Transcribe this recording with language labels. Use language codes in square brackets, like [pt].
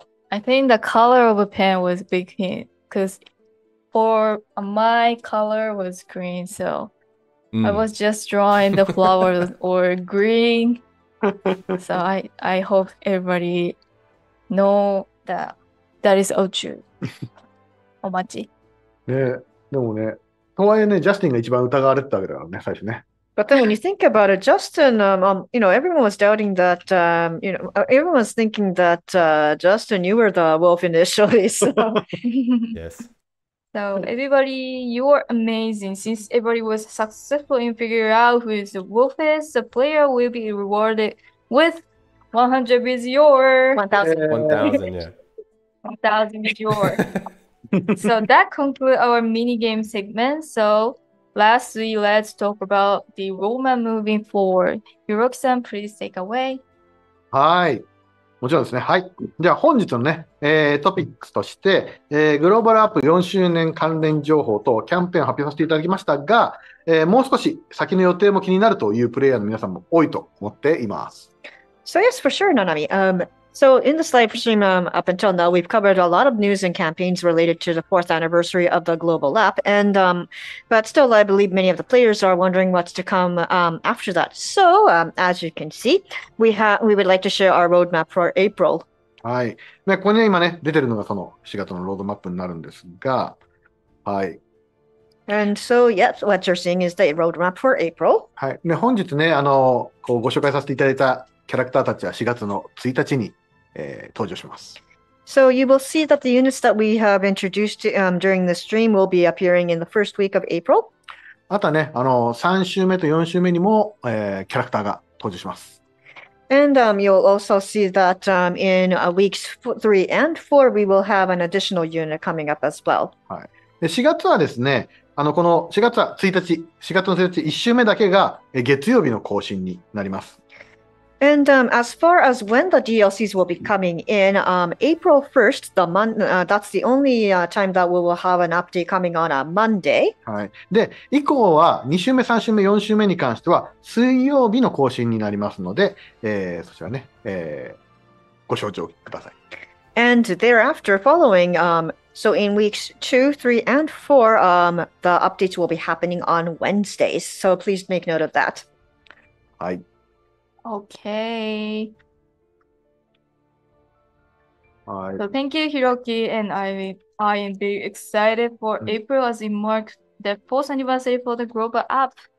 [en] I think the color of a pen was a big hint, because for my color was green, so I was just drawing the flowers or green. So I hope everybody know that is Ochu. [ja] お待ち。ねえ、でもね、とはいえね、ジャスティンが一番疑われてたわけだからね、最初ね。 [en] But then when you think about it, Justin, you know, everyone was doubting that, you know, everyone was thinking that, Justin, you were the wolf initially, so. Yes. So everybody, you are amazing. Since everybody was successful in figuring out who is the wolf is, the player will be rewarded with 100 bijour. 1,000, yeah. 1,000 bijour. So that concludes our mini game segment. So lastly, let's talk about the roadmap moving forward. Hiroki-san, please take away. [ja] Hi. もちろんですね。はい。じゃあ本日のね、トピックスとして、グローバルアップ4周年関連情報とキャンペーンを発表させていただきましたが、もう少し先の予定も気になるというプレイヤーの皆さんも多いと思っています。 [en] So yes, for sure, Nanami. So in this live stream, up until now, we've covered a lot of news and campaigns related to the 4th anniversary of the global app. And, but still, I believe many of the players are wondering what's to come, after that. So, as you can see, we would like to share our roadmap for April. [ja] はい。ね、ここに今ね、出てるのがその4月のロードマップになるんですが、はい。 [en] And so, yes, what you're seeing is the roadmap for April. [ja] はい。ね、本日ね、こうご紹介させていただいたキャラクターたちは4月の1日に、登場します。 [en] So you will see that the units that we have introduced during the stream will be appearing in the first week of April. [ja] あとはね、3週目と4週目にも、キャラクターが登場します。 [en] And you'll also see that in weeks 3 and 4 we will have an additional unit coming up as well. [ja] はい。で、4月はですね、この4月は1日、4月の1日1週目だけが月曜日の更新になります。 [en] And as far as when the DLCs will be coming in, April 1st, the month, that's the only time that we will have an update coming on a Monday. [ja] はい。で、以降は2週目、3週目、4週目に関しては水曜日の更新になりますので、そちらね、ご承知ください。 [en] And thereafter, following, so in weeks 2, 3, and 4, the updates will be happening on Wednesdays. So please make note of that. [ja] はい。 [en] Okay. So thank you, Hiroki, and I am very excited for April as it marks the 4th anniversary for the global app.